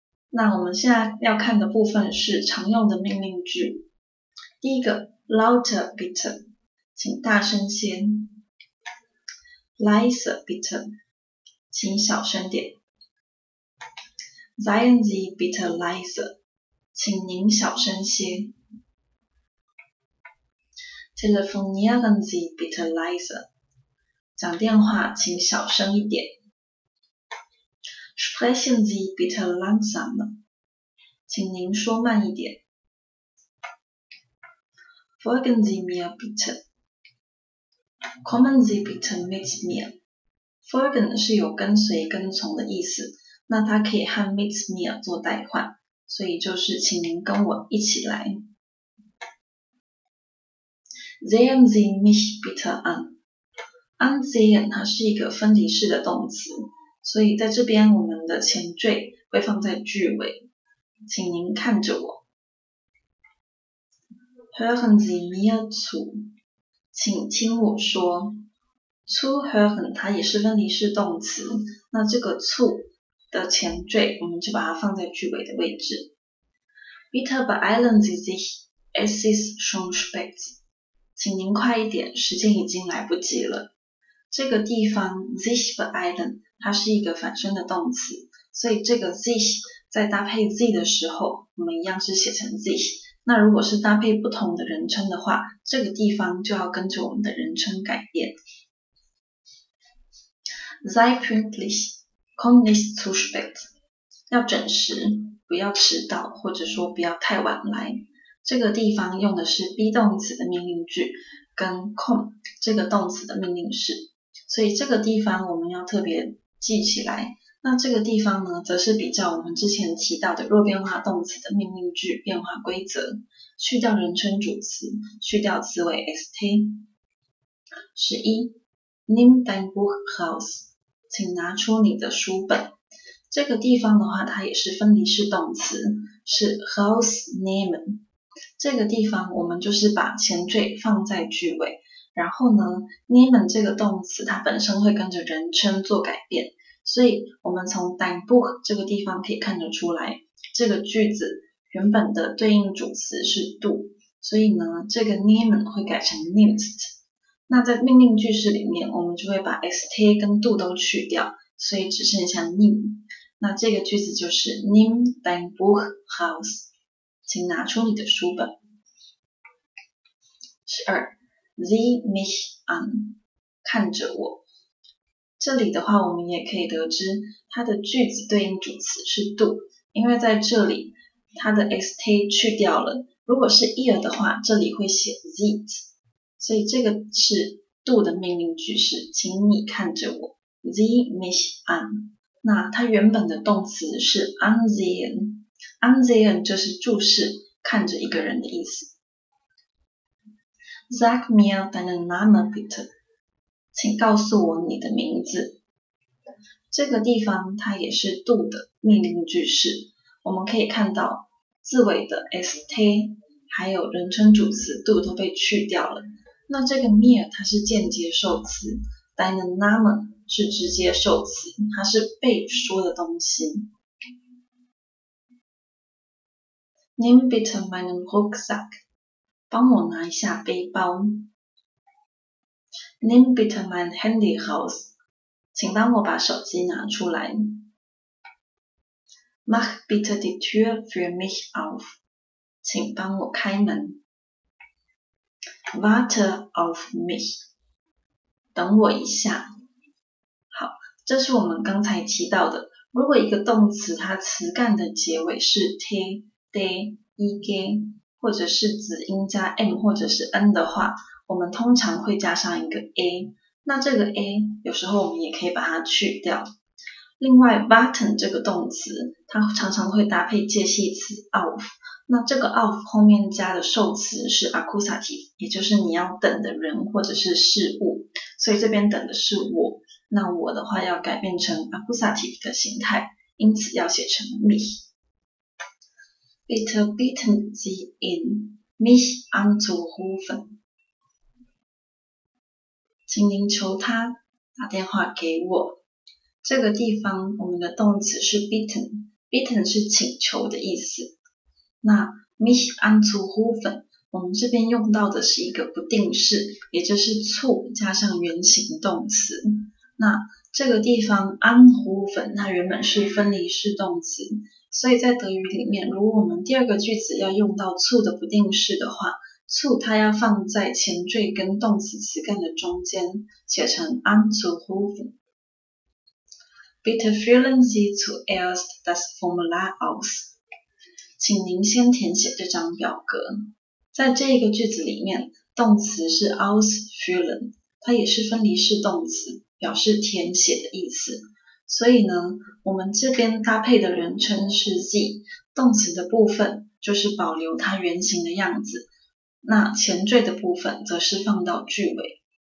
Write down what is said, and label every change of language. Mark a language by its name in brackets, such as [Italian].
[Chinese] 那我们现在要看的部分是常用的命令句。第一个 [German] lauter bitte， [Chinese] 请大声些。 [German] leiser bitte， [Chinese] 请小声点。 [German] seien Sie bitte leiser， [Chinese] 请您小声些。 [German] telefonieren Sie bitte leiser， [Chinese] 讲电话请小声一点。 [German] Sprechen Sie bitte langsamer， [Chinese] 请您说慢一点。 [German] Folgen Sie mir bitte， Kommen Sie bitte mit mir。 [Chinese] Folgen 是有跟随跟从的意思，那它可以和 mit mir 做代换，所以就是请您跟我一起来。 [German] Sehen Sie mich bitte an， [Chinese] Ansehen 它是一个分离式的动词，所以在这边我们的前缀会放在句尾，请您看着我。 [German] Hören Sie mir zu， [Chinese] 请听我说。 zu hören 它也是分离式动词，那这个 zu 的前缀我们就把它放在句尾的位置。 [German] Bitte beeilen Sie sich， es ist schon spät， [Chinese] 请您快一点，时间已经来不及了。这个地方 sich beeilen它是一个反身的动词，所以这个 sich 在搭配 z 的时候，我们一样是写成 sich。那如果是搭配不同的人称的话，这个地方就要跟着我们的人称改变。 [German] Sei pünktlich, komm nicht zu spät， [Chinese] 要准时，不要迟到，或者说不要太晚来。这个地方用的是 be 动词的命令句跟 komm 这个动词的命令式，所以这个地方我们要特别记起来。那这个地方呢，则是比较我们之前提到的弱变化动词的命令句变化规则，去掉人称主词，去掉词尾 st。 [German] 11 Nimm dein Buch raus， [Chinese] 请拿出你的书本。这个地方的话，它也是分离式动词，是 rausnehmen。这个地方我们就是把前缀放在句尾，然后呢 nehmen 这个动词它本身会跟着人称做改变，所以我们从 dein Buch 这个地方可以看得出来，这个句子原本的对应主词是 du， 所以呢这个 nehmen 会改成 nimmst。那在命令句式里面，我们就会把 st 跟 du 都去掉，所以只剩下 nimm。那这个句子就是 [German] nimm dein Buch raus， [Chinese] 请拿出你的书本。 [German] 12Sie mich an， [Chinese] 看着我。这里的话我们也可以得知它的句子对应主词是 du， 因为在这里它的 st 去掉了，如果是 ear 的话这里会写 sieht， 所以这个是 du 的命令句式，请你看着我。 [German] Sie mich an， [Chinese] 那它原本的动词是 ansehen， ansehen 就是注视看着一个人的意思。 [German] Sag mir deinen Namen bitte， [Chinese] 请告诉我你的名字。这个地方它也是 du 的命令句式，我们可以看到字尾的 st 还有人称主词 du 都被去掉了。那这个 mir 它是间接受词， deinen Namen 是直接受词，它是被说的东西。 [German] Nimm bitte meinen Rucksack， [Chinese] 帮我拿一下背包。 [German] Nimm bitte mein Handy raus， [Chinese] 请帮我把手机拿出来。 [German] Mach bitte die Tür für mich auf， [Chinese] 请帮我开门。 [German] Warte auf mich， [Chinese] 等我一下。好，这是我们刚才提到的，如果一个动词它词干的结尾是 t， de, ige, 或者是子音加 m 或者是 n 的话，我们通常会加上一个 a， 那这个 a 有时候我们也可以把它去掉。另外 warten 这个动词它常常会搭配介系词 auf， 那这个 auf 后面加的受词是 accusative， 也就是你要等的人或者是事物，所以这边等的是我，那我的话要改变成 accusative 的形态，因此要写成 mich。 [German] Bitte bitten Sie in mich anzurufen， [Chinese] 请您求他打电话给我。这个地方我们的动词是 bitten， bitten 是请求的意思。那 mich anzurufen 我们这边用到的是一个不定式，也就是zu加上原形动词。那这个地方 anrufen 它原本是分离式动词，所以在德语里面如果我们第二个句子要用到zu的不定式的话，zu它要放在前缀跟动词词干的中间，写成 anrufen。 [German] Bitte füllen Sie zuerst das Formular aus， [Chinese] 请您先填写这张表格。在这个句子里面，动词是 ausfüllen， 它也是分离式动词，表示填写的意思。所以呢，我们这边搭配的人称是 Sie， 动词的部分就是保留它原形的样子，那前缀的部分则是放到句尾。